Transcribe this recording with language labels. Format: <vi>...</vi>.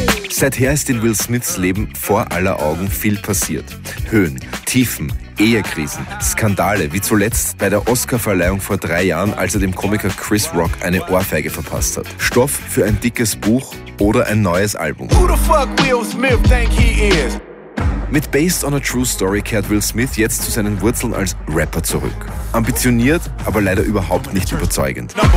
<de>Seither ist in Will Smiths Leben vor aller Augen viel passiert. Höhen, Tiefen, Ehekrisen, Skandale, wie zuletzt bei der Oscarverleihung vor 3 Jahren, als er dem Komiker Chris Rock eine Ohrfeige verpasst hat. Stoff für ein dickes Buch oder ein neues Album.</de> <en>Who the fuck Will Smith think he is?</en> <de>Mit Based on a True Story kehrt Will Smith jetzt zu seinen Wurzeln als Rapper zurück. Ambitioniert, aber leider überhaupt nicht überzeugend.</de>